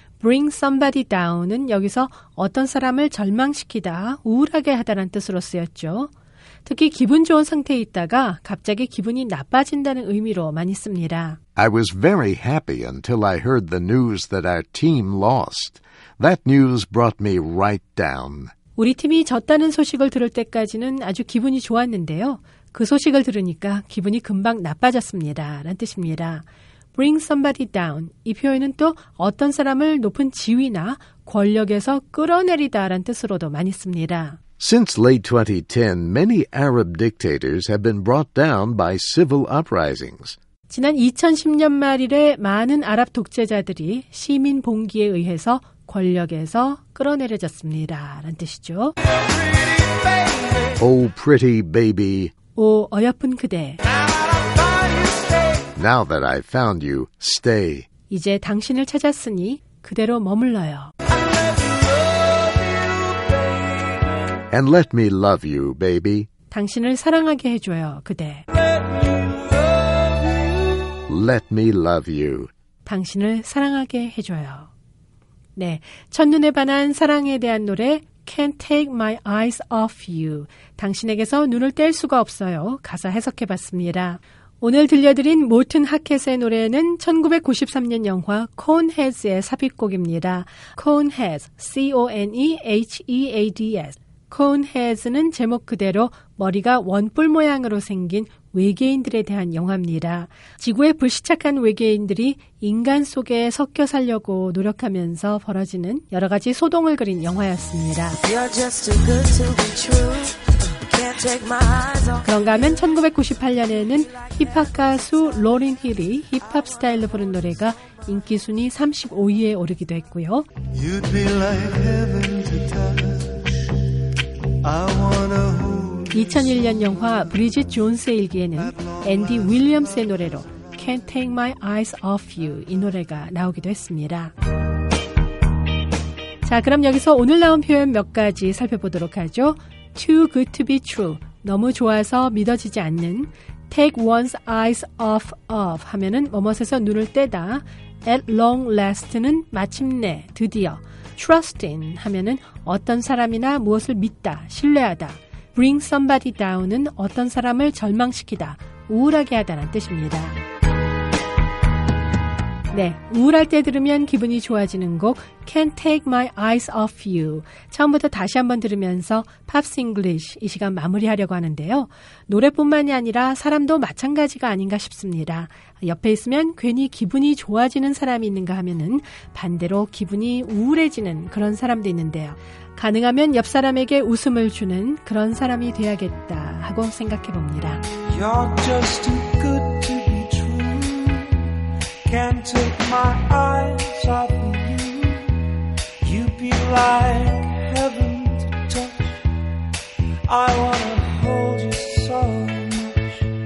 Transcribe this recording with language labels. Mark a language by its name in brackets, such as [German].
[English] Bring somebody down [Korean] 은 여기서 어떤 사람을 절망시키다, 우울하게 하다라는 뜻으로 쓰였죠. 특히 기분 좋은 상태에 있다가 갑자기 기분이 나빠진다는 의미로 많이 씁니다. [English] I was very happy until I heard the news that our team lost. That news brought me right down. [Korean] 우리 팀이 졌다는 소식을 들을 때까지는 아주 기분이 좋았는데요. 그 소식을 들으니까 기분이 금방 나빠졌습니다. 라는 뜻입니다. [English] Bring somebody down. [Korean] 이 표현은 또 어떤 사람을 높은 지위나 권력에서 끌어내리다 라는 뜻으로도 많이 씁니다. [English] Since late 2010, many Arab dictators have been brought down by civil uprisings. [Korean] 지난 2010년 말 이래 많은 아랍 독재자들이 시민 봉기에 의해서 권력에서 끌어내려졌습니다. 라는 뜻이죠. [English] Oh, pretty baby. [Korean] 오, 어여쁜 그대. [English] Now that I found you, stay. [Korean] 이제 당신을 찾았으니 그대로 머물러요. [English] And let me love you, baby. [Korean] 당신을 사랑하게 해줘요, 그대. [English] Let me love you. [Korean] 당신을 사랑하게 해줘요. 네, 첫눈에 반한 사랑에 대한 노래 Can't Take My Eyes Off You. 당신에게서 눈을 뗄 수가 없어요. 가사 해석해봤습니다. 오늘 들려드린 모튼 하켓의 노래는 1993년 영화 Coneheads의 삽입곡입니다. [English] Coneheads, C-O-N-E-H-E-A-D-S. [Korean] Coneheads는 제목 그대로 머리가 원뿔 모양으로 생긴 외계인들에 대한 영화입니다. 지구에 불시착한 외계인들이 인간 속에 섞여 살려고 노력하면서 벌어지는 여러 가지 소동을 그린 영화였습니다. [English] You're just too good to be true. [Korean] 그런가 하면 1998년에는 힙합 가수 로린 힐이 힙합 스타일로 부른 노래가 인기 순위 35위에 오르기도 했고요. [English] You'd be like heaven to touch. I wanna hold. [Korean] 2001년 영화 브리짓 존스의 일기에는 앤디 윌리엄스의 노래로 Can't Take My Eyes Off You 이 노래가 나오기도 했습니다. 자, 그럼 여기서 오늘 나온 표현 몇 가지 살펴보도록 하죠. [English] Too good to be true. [Korean] 너무 좋아서 믿어지지 않는. [English] Take one's eyes off of [Korean] 하면은 뭐뭇에서 눈을 떼다. [English] At long last [Korean] 는 마침내, 드디어. [English] Trust in [Korean] 하면은 어떤 사람이나 무엇을 믿다, 신뢰하다. [English] Bring somebody down [Korean] 은 어떤 사람을 절망시키다, 우울하게 하다는 뜻입니다. 네, 우울할 때 들으면 기분이 좋아지는 곡 Can't Take My Eyes Off You 처음부터 다시 한번 들으면서 Pops English 이 시간 마무리하려고 하는데요. 노래뿐만이 아니라 사람도 마찬가지가 아닌가 싶습니다. 옆에 있으면 괜히 기분이 좋아지는 사람이 있는가 하면은 반대로 기분이 우울해지는 그런 사람도 있는데요. 가능하면 옆 사람에게 웃음을 주는 그런 사람이 돼야겠다 하고 생각해봅니다. [English] You're just too good to be true. Can't take my eyes off of you. You'd be like heaven to touch. I wanna hold you so much.